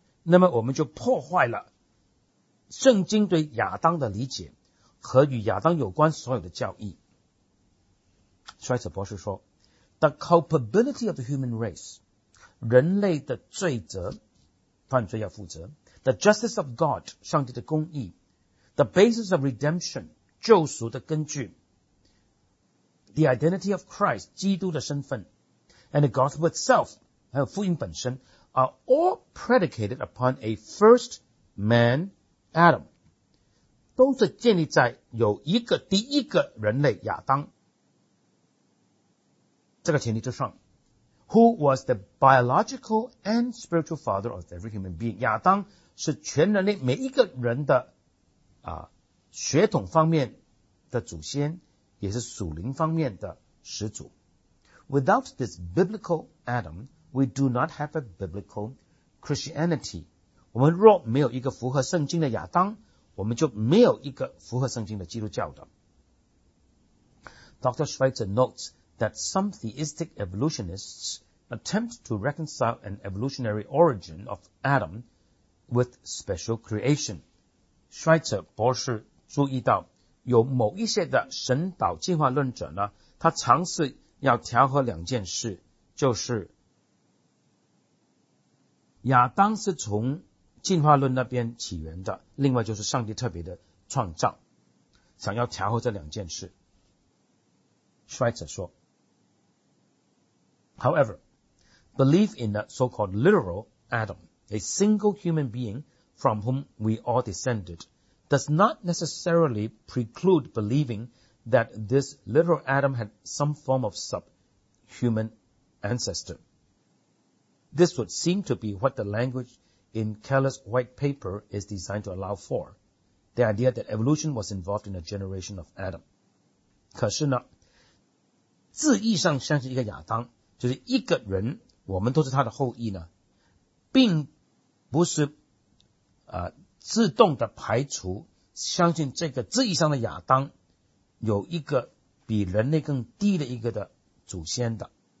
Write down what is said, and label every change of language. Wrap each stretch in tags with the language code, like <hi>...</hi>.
<zh>那么我们就破坏了圣经对亚当的理解和与亚当有关所有的教义。所以此博士说,</zh> <en>the culpability of the human race,</en> <zh>人类的罪责,犯罪要负责,</zh> <en>the justice of God,</en> <zh>上帝的公义,</zh> <en>the basis of redemption,</en> <zh>救赎的根据,</zh> <en>the identity of Christ,</en> <zh>基督的身份,</zh> <en>and the gospel itself,</en> <zh>还有福音本身,</zh> <en>are all predicated upon a first man, Adam,</en> <zh>都是建立在有一个第一个人类亚当这个前提之上,</zh> <en>who was the biological and spiritual father of every human being.</en> <zh>亚当是全人类每一个人的啊血统方面的祖先，也是属灵方面的始祖。</zh> <en>Without this biblical Adam, we do not have a biblical Christianity.</en> <zh>我们若没有一个符合圣经的亚当，我们就没有一个符合圣经的基督教的。</zh> <en>Dr. Schweitzer notes,that some theistic evolutionists attempt to reconcile an evolutionary origin of Adam with special creation.</en> <zh>Schweitzer 博士注意到有某一些的神导进化论者呢，他尝试要调和两件事，就是亚当是从进化论那边起源的，另外就是上帝特别的创造，想要调和这两件事。</zh> <en>Schweitzer 说However, belief in the so-called literal Adam, a single human being from whom we all descended, does not necessarily preclude believing that this literal Adam had some form of subhuman ancestor. This would seem to be what the language in Keller's white paper is designed to allow for, the idea that evolution was involved in a generation of Adam.</en> <zh>可是呢，字义上像是一个亚当就是一个人我们都是他的后裔呢并不是自动的排除相信这个字义上的亚当有一个比人类更低的一个的祖先的。</zh>